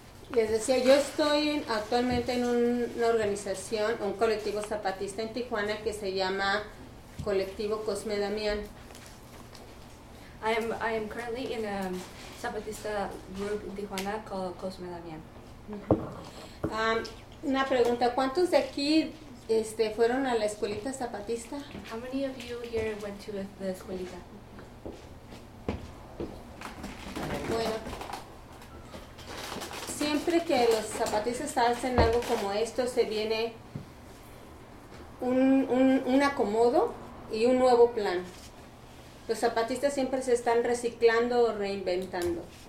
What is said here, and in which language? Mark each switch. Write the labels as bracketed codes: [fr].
[es] Les decía, yo estoy actualmente en una organización, un colectivo zapatista en Tijuana que se llama Colectivo Cosme Damián. [en] I am currently in a Zapatista group in Tijuana called Cosme Damián. [es] Una pregunta, ¿cuántos de aquí fueron a la escuelita zapatista? [en] How many of you here went to the escuelita? [es] Bueno, siempre que los zapatistas hacen algo como esto, se viene un acomodo y un nuevo plan. Los zapatistas siempre se están reciclando o reinventando.